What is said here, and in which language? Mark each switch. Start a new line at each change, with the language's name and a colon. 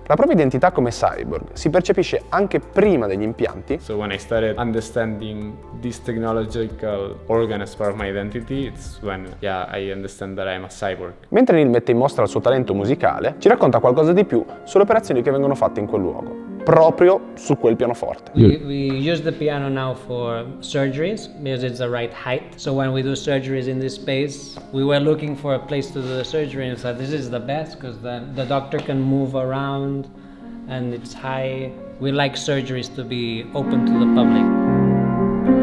Italian: La propria identità come cyborg si percepisce anche prima degli impianti.
English: So when I started understanding this technological organ as part of my identity, it's when yeah I understand that I'm a cyborg.
Italian: Mentre Neil mette in mostra il suo talento musicale, ci racconta qualcosa di più sulle operazioni che vengono fatte in quel luogo. Proprio su quel pianoforte.
English: We use the piano now for surgeries because it's the right height. So when we do surgeries in this space, we were looking for a place to do the surgery and said this is the best because the doctor can move around and it's high. We like surgeries to be open to the public.